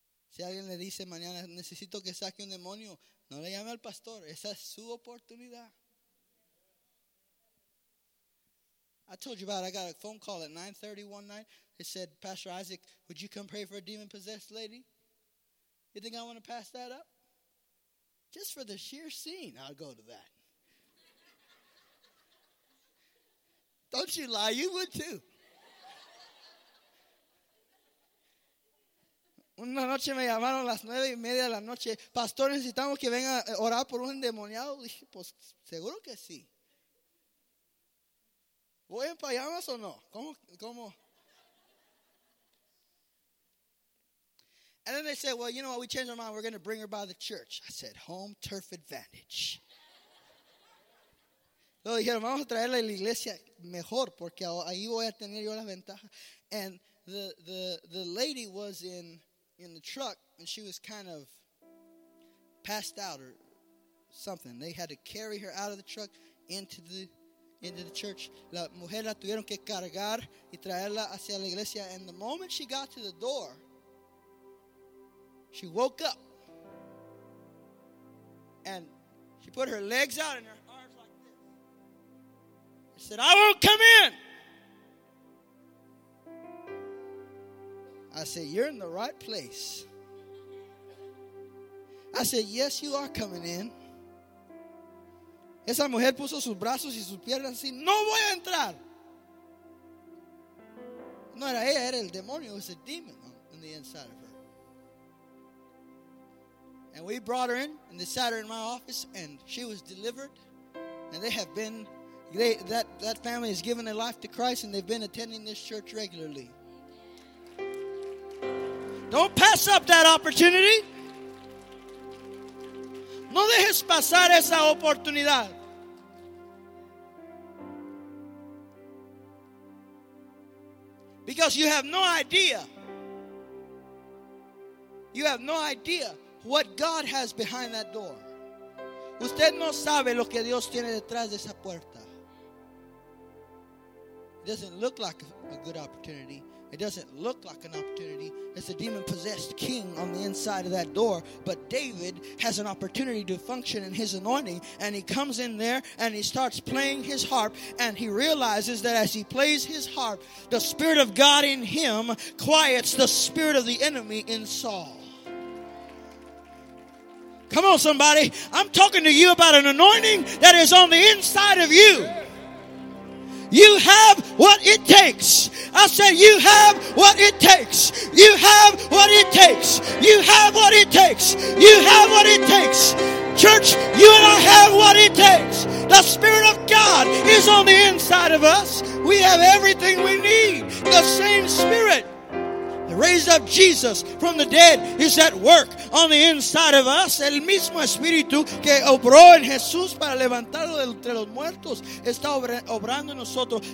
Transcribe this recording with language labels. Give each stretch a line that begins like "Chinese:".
Spanish: Si alguien le dice mañana, necesito que saque un demonio, no le llame al pastor. Esa es su oportunidad.
English: I told you about it. I got a phone call at 9:30 one night. It said, Pastor Isaac, would you come pray for a demon-possessed lady? You think I want to pass that up? Just for the sheer scene, I'll go to that. Don't you lie. You would too.
Spanish: Una noche me llamaron las 9:30 de la noche. Pastor, necesitamos que venga a orar por un endemoniado. Dije, pues, seguro que sí. ¿Voy en pijamas o no? ¿Cómo?
English: And then they said, well, you know what? We changed our mind. We're going to bring her by the church. I said, home turf advantage.
Spanish: Luego dijeron, vamos a traerla a la iglesia mejor, porque ahí voy a tener yo las ventajas.
English: And the lady was in the truck, and she was kind of passed out or something. They had to carry her out of the truck into the into the church.
Spanish: La mujer la tuvieron que cargar y traerla hacia la iglesia.
English: And the moment she got to the door, she woke up. And she put her legs out and her arms like this. She said, I won't come in. I said, you're in the right place. I said, yes, you are coming in.
Spanish: Esa mujer puso sus brazos y sus piernas así, no voy a entrar. No era ella, era el demonio.
English: It was a demon on the inside of her. And we brought her in, and they sat her in my office, and she was delivered. And they have been, that family has given their life to Christ, and they've been attending this church regularly. Don't pass up that opportunity.
Spanish: No dejes pasar esa oportunidad.
English: Because you have no idea. You have no idea what God has behind that door.
Spanish: Usted no sabe lo que Dios tiene detrás de esa puerta.
English: It doesn't look like a good opportunity. It doesn't look like an opportunity. It's a demon-possessed king on the inside of that door. But David has an opportunity to function in his anointing. And he comes in there and he starts playing his harp. And he realizes that as he plays his harp, the spirit of God in him quiets the spirit of the enemy in Saul. Come on, somebody. I'm talking to you about an anointing that is on the inside of you. You have what it takes. I said, you have what it takes. You have what it takes. You have what it takes. You have what it takes. Church, you and I have what it takes. The Spirit of God is on the inside of us. We have everything we need. The same Spirit that raised up Jesus from the dead is at work on the inside of us.
Spanish: El mismo Espíritu que obró en Jesús para levantarlo de entre los muertos está obrando en nosotros.